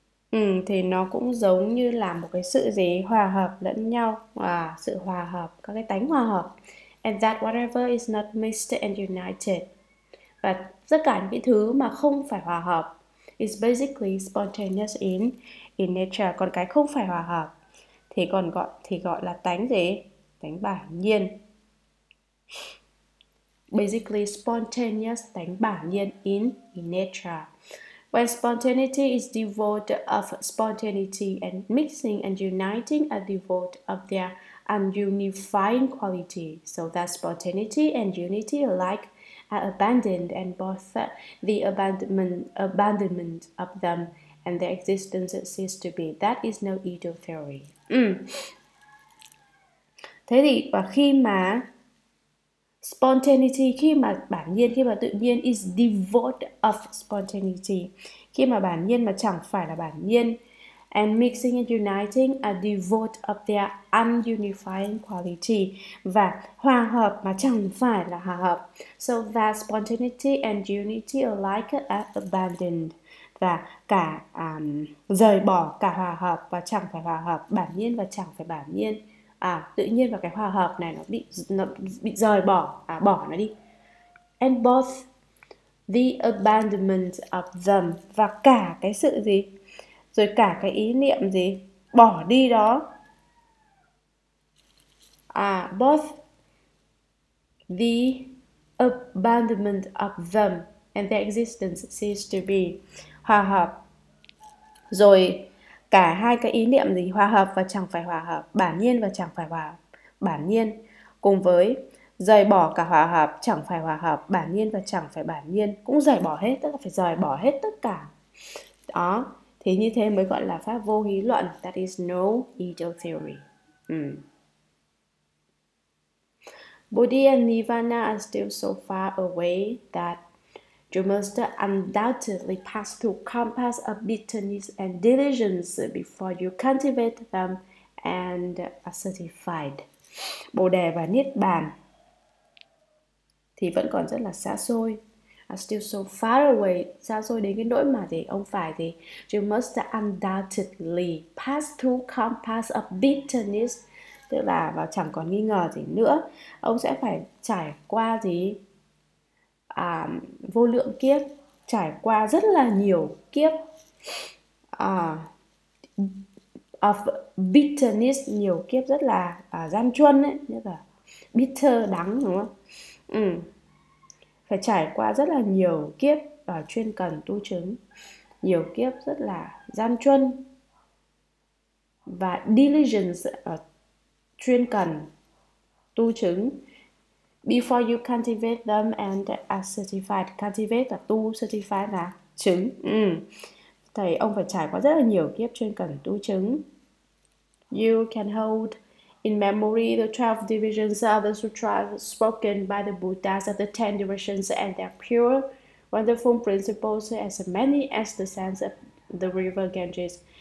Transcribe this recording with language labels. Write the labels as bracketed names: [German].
[Vietnamese] Ừ, thì nó cũng giống như là một cái sự gì hòa hợp lẫn nhau, à sự hòa hợp, các cái tánh hòa hợp, [English] and that whatever is not mixed and united, [Vietnamese] và tất cả những cái thứ mà không phải hòa hợp [English] is basically spontaneous in nature, [Vietnamese] còn cái không phải hòa hợp thì còn gọi thì gọi là tánh gì, tánh bản nhiên, [English] basically spontaneous, [Vietnamese] tánh bản nhiên [English] in nature. When spontaneity is devoid of spontaneity and mixing and uniting are devoid of their ununifying quality, so that spontaneity and unity alike are abandoned, and both the abandonment of them and their existence cease to be. That is no Edo theory. [Vietnamese] Ừ. Thế thì và khi mà spontaneity, khi mà bản nhiên, khi mà tự nhiên, [English] is devoid of spontaneity. [Vietnamese] Khi mà bản nhiên mà chẳng phải là bản nhiên. [English] And mixing and uniting are devoid of their ununifying quality. [Vietnamese] Và hòa hợp mà chẳng phải là hòa hợp. [English] So that spontaneity and unity alike are abandoned. [Vietnamese] Và cả rời bỏ cả hòa hợp và chẳng phải hòa hợp, bản nhiên và chẳng phải bản nhiên. À, tự nhiên và cái hòa hợp này nó bị rời bỏ, bỏ nó đi. [English] And both the abandonment of them, [Vietnamese] và cả cái sự gì, rồi cả cái ý niệm gì bỏ đi đó. [English] À, both the abandonment of them and their existence cease to be. [Vietnamese] Hòa hợp, rồi cả hai cái ý niệm gì, hòa hợp và chẳng phải hòa hợp, bản nhiên và chẳng phải hòa bản nhiên, cùng với rời bỏ cả hòa hợp, chẳng phải hòa hợp, bản nhiên và chẳng phải bản nhiên, cũng rời bỏ hết, tức là phải rời bỏ hết tất cả. Đó, thì như thế mới gọi là pháp vô hí luận. [English] That is no ego theory. Bodhi and Nirvana are still so far away that you must undoubtedly pass through compass of bitterness and delusions before you cultivate them and are certified. [Vietnamese] Bồ đề và niết bàn thì vẫn còn rất là xa xôi. [English] Are still so far away, [Vietnamese] xa xôi đến cái nỗi mà thì ông phải thì [English] you must undoubtedly pass through compass of bitterness, [Vietnamese] tức là vào chẳng còn nghi ngờ gì nữa, ông sẽ phải trải qua gì, vô lượng kiếp, trải qua rất là nhiều kiếp [English] of bitterness, [Vietnamese] nhiều kiếp rất là gian truân ấy, như là bitter, đắng đúng không? Ừ. Phải trải qua rất là nhiều kiếp và chuyên cần tu chứng, nhiều kiếp rất là gian truân và diligence, chuyên cần tu chứng. [English] Before you cultivate them and are certified. Cultivate là tu, certified là chứng. [Vietnamese] Thầy ông phải trải qua rất là nhiều kiếp chuyên cần tu chứng. [English] You can hold in memory the 12 divisions of the sutras spoken by the Buddhas of the 10 directions and their pure, wonderful principles as many as the sands of the river Ganges.